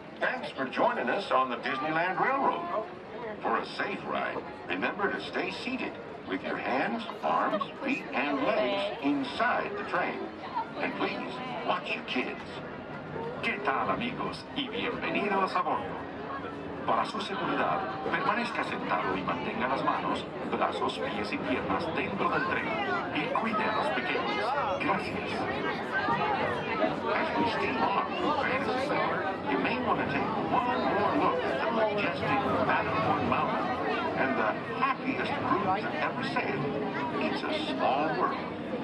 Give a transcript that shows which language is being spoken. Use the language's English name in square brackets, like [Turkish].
[English] Thanks for joining us on the Disneyland Railroad. For a safe ride, remember to stay seated with your hands, arms, feet, and legs inside the train. And please, watch your kids. [Spanish] ¿Qué tal, amigos? Y bienvenidos a bordo. Para su seguridad, permanezca sentado y mantenga las manos, brazos, pies y piernas dentro del tren. Y cuide a los pequeños. Gracias. [English] As we steam on from Fantasy Center, you may want to take one more look at the majestic Matterhorn Mountain and the happiest group to ever say it. It's a small world.